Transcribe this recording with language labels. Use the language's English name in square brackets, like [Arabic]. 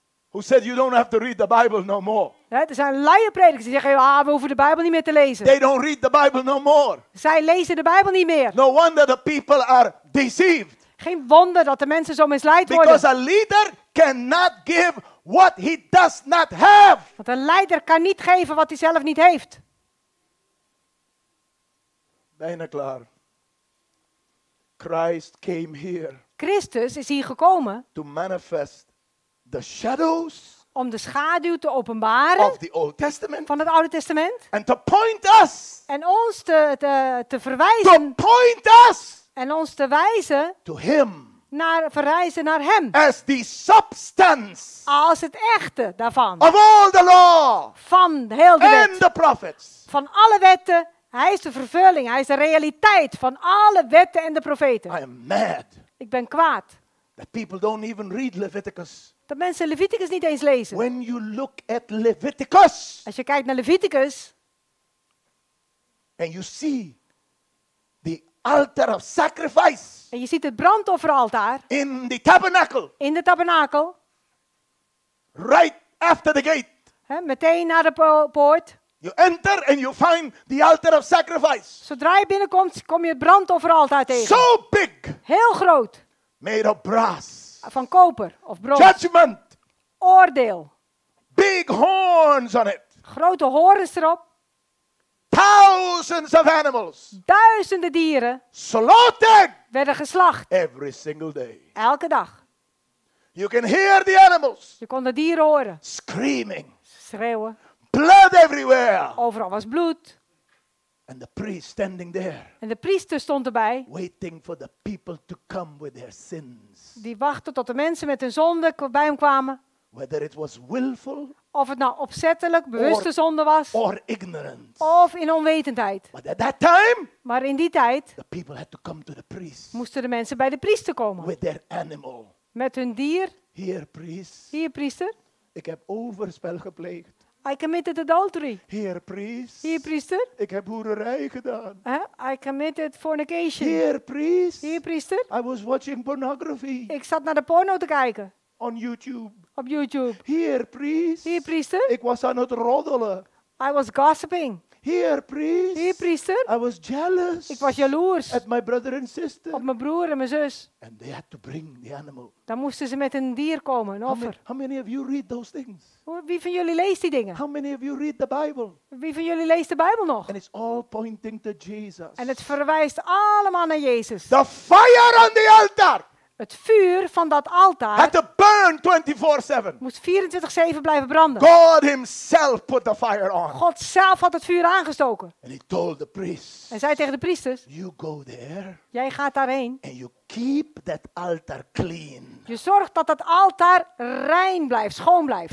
[English] Who said you don't have to read the Bible no more? [Dutch] Ja, er zijn luie predikers die zeggen: ah, we hoeven de Bijbel niet meer te lezen. [English] They don't read the Bible no more. [Dutch] Zij lezen de Bijbel niet meer. [English] No wonder the people are deceived. [Dutch] Geen wonder dat de mensen zo misleid worden. [English] Because a leader cannot give what he does not have. [Dutch] Want een leider kan niet geven wat hij zelf niet heeft. Bijna klaar. [English] Christ came here. [Dutch] Christus is hier gekomen. [English] To manifest. The shadows [Dutch] om de schaduw te openbaren [English] of the Old Testament, [Dutch] van het Oude Testament. [English] And to point us, [Dutch] en ons te verwijzen. [English] To point us, [Dutch] en ons te wijzen. [English] To him, [Dutch] naar, verwijzen naar hem. [English] As the substance, [Dutch] als het echte daarvan. [English] Of all the law, [Dutch] van heel de wet. [English] And the prophets. [Dutch] Van alle wetten. Hij is de vervulling. Hij is de realiteit van alle wetten en de profeten. [English] I am mad. [Dutch] Ik ben kwaad. [English] That people don't even read Leviticus. [Dutch] Dat mensen Leviticus niet eens lezen. [English] When you look at Leviticus, [Dutch] als je kijkt naar Leviticus. [English] And you see the altar of sacrifice, [Dutch] en je ziet het brandofferaltaar. [English] In the tabernacle, [Dutch] in de tabernakel. [English] Right after the gate, [Dutch] hè, meteen naar de poort. [English] You enter and you find the altar of sacrifice. [Dutch] Zodra je binnenkomt, kom je het brandofferaltaar tegen. [English] So big, [Dutch] heel groot. [English] Made of brass. [Dutch] Van koper of brons. [English] Judgment. [Dutch] Oordeel. [English] Big horns on it. [Dutch] Grote horens erop. [English] Thousands of animals. [Dutch] Duizenden dieren. [English] Slaughtered. [Dutch] Werden geslacht. [English] Every single day. [Dutch] Elke dag. [English] You can hear the animals. [Dutch] Je kon de dieren horen. [English] Screaming. [Dutch] Schreeuwen. [English] Blood everywhere. [Dutch] Overal was bloed. [English] And the priest standing there. [Dutch] En de priester stond erbij. [English] Waiting for the people to come with their sins. [Dutch] Die wachtte tot de mensen met hun zonden bij hem kwamen. [English] Whether it was willful. [Dutch] Of het nou opzettelijk, bewuste zonde was. [English] Or ignorant. [Dutch] Of in onwetendheid. [English] But at that time. [Dutch] Maar in die tijd. [English] The people had to come to the priest. [Dutch] Moesten de mensen bij de priester komen. [English] With their animal. [Dutch] Met hun dier. [English] Here, priest. [Dutch] Hier, priester. Ik heb overspel gepleegd. [English] I committed adultery. [Dutch] Heer priest. Heer priester. Ik heb hoererij gedaan. [English] I committed fornication. [Dutch] Heer priest. Heer priester. [English] I was watching pornography. [Dutch] Ik zat naar de porno te kijken. [English] On YouTube. [Dutch] Op YouTube. Heer priest. Heer priester. Ik was aan het roddelen. [English] I was gossiping. [Dutch] Heer priest. Heer priester. [English] I was jealous. [Dutch] Ik was jaloers. [English] At my brother and sister. [Dutch] Op mijn broer en mijn zus. [English] And they had to bring the animal. [Dutch] Dan moesten ze met een dier komen, een offer. [English] How many of you read those things? [Dutch] Wie van jullie leest die dingen? [English] How many of you read the Bible? [Dutch] Wie van jullie leest de Bijbel nog? [English] And it's all pointing to Jesus. [Dutch] En het verwijst allemaal naar Jezus. [English] The fire on the altar. [Dutch] Het vuur van dat altaar. [English] Had to burn 24/7. [Dutch] Moest 24/7 blijven branden. [English] God himself put the fire on. [Dutch] God zelf had het vuur aangestoken. [English] And he told the priest. [Dutch] En zei tegen de priesters. [English] You go there. [Dutch] Jij gaat daarheen. [English] And you keep that altar clean. [Dutch] Je zorgt dat dat altaar rein blijft, schoon blijft.